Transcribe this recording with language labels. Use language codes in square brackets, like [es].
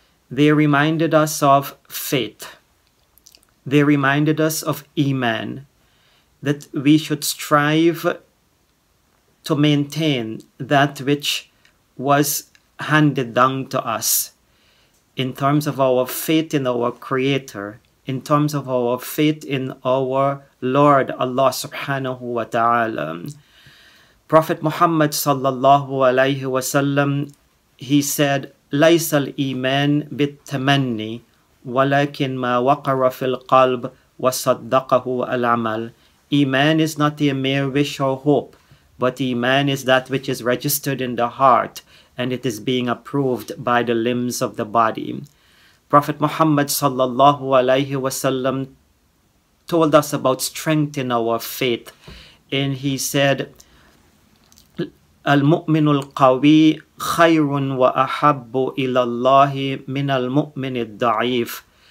[en] They reminded us of faith. They reminded us of Iman, that we should strive to maintain that which was handed down to us in terms of our faith in our Creator, in terms of our faith in our Lord Allah subhanahu wa ta'ala. Prophet Muhammad sallallahu alaihi wasallam, he said, [ar] ليس الإيمان بالتمني ولكن ما وقر في القلب وصدقه العمل. [en] Iman is not a mere wish or hope, but Iman is that which is registered in the heart and it is being approved by the limbs of the body. Prophet Muhammad sallallahu alaihi wasallam told us about strength in our faith and he said, [ar] المؤمن القوي خير وأحب إلى الله من المؤمن الضعيف.